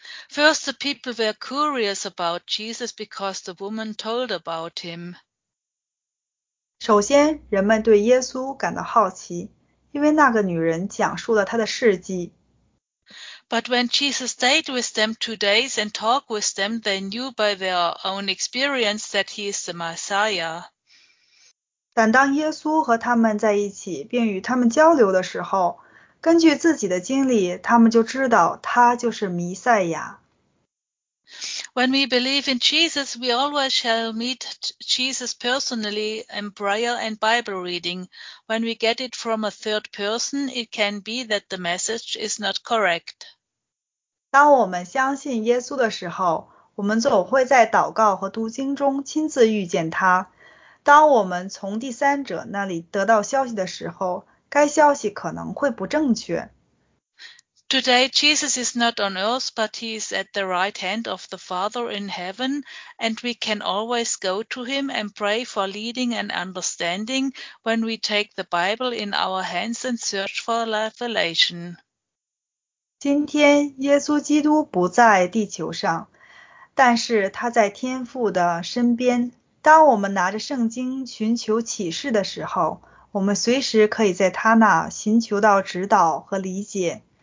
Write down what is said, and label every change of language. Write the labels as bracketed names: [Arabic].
[English] First, the people were curious about Jesus because the woman told about him. [Chinese] 首先，人们对耶稣感到好奇，因为那个女人讲述了她的事迹。 [English] But when Jesus stayed with them 2 days and talked with them, they knew by their own experience that he is the Messiah. [Chinese] 但当耶稣和他们在一起并与他们交流的时候，根据自己的经历，他们就知道他就是弥赛亚。 [English] When we believe in Jesus, we always shall meet Jesus personally in prayer and Bible reading. When we get it from a third person, it can be that the message is not correct. [Chinese] 当我们相信耶稣的时候，我们总会在祷告和读经中亲自遇见他。当我们从第三者那里得到消息的时候，该消息可能会不正确。 [English] Today, Jesus is not on earth, but he is at the right hand of the Father in heaven, and we can always go to him and pray for leading and understanding when we take the Bible in our hands and search for revelation. [Chinese] 今天，耶稣基督不在地球上，但是他在天父的身边。当我们拿着圣经寻求启示的时候，我们随时可以在他那寻求到指导和理解。